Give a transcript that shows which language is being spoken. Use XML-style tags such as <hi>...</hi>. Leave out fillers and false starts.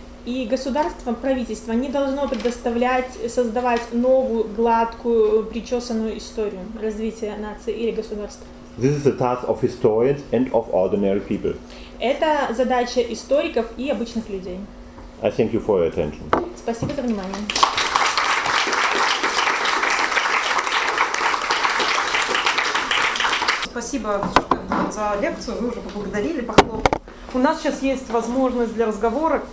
<ru>И государство, правительство не должно создавать новую, гладкую, причесанную историю развития нации или государства.</ru> <en>This is the task of historians and of ordinary people.</en> <ru>Это задача историков и обычных людей.</ru> <en>I thank you for your attention.</en> <ru>Спасибо за внимание. спасибо за лекцию. Вы уже поблагодарили, похлопали. У нас сейчас есть возможность для разговора.</ru>